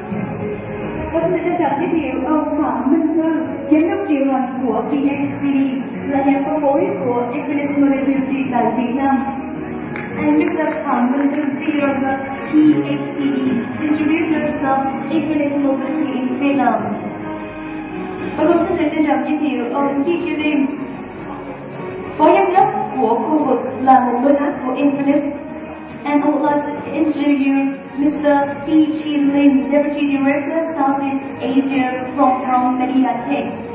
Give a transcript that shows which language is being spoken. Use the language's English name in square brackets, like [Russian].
[Vietnamese] Xin được trân trọng giới thiệu ông Phạm Minh Thân, giám đốc điều hành của VSD, là nhà phân phối của Infinite Mobility tại Việt Nam. [English] And Mr. Phạm Minh Thân, CEO of PFTD, Distributors of Infinite Mobility in Vietnam. [Vietnamese] Và tôi xin được trân trọng giới thiệu ông Ki Chiu Lim, phó giám đốc của khu vực là một đối tác của Infinite. [English] And I would like to introduce you, Mr. Ki Chiu Lim, Deputy Director, Southeast Asia from Crown Media Tech.